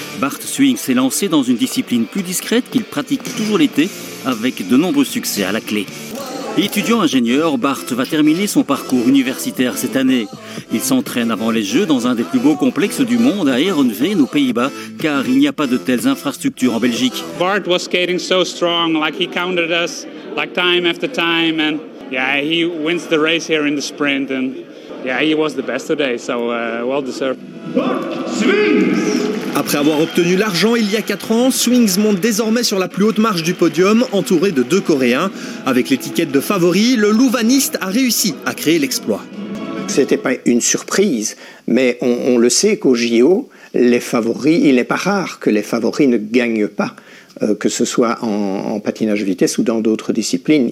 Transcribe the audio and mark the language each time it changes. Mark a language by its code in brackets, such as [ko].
[fr] Bart Swings s'est lancé dans une discipline plus discrète qu'il pratique toujours l'été, avec de nombreux succès à la clé. Étudiant ingénieur, Bart va terminer son parcours universitaire cette année. Il s'entraîne avant les Jeux dans un des plus beaux complexes du monde à Heerenveen, aux Pays-Bas, car il n'y a pas de telles infrastructures en Belgique. [en] Bart was skating so strong, like he counted us, like time after time, and yeah, he wins the race here in the sprint, and yeah, he was the best today, so well deserved. [fr] Bart Swings. Après avoir obtenu l'argent il y a 4 ans, Swings monte désormais sur la plus haute marche du podium, entouré de deux Coréens. Avec l'étiquette de favori, le Louvaniste a réussi à créer l'exploit. Ce n'était pas une surprise, mais on le sait qu'au JO, les favoris, il n'est pas rare que les favoris ne gagnent pas, que ce soit en patinage vitesse ou dans d'autres disciplines.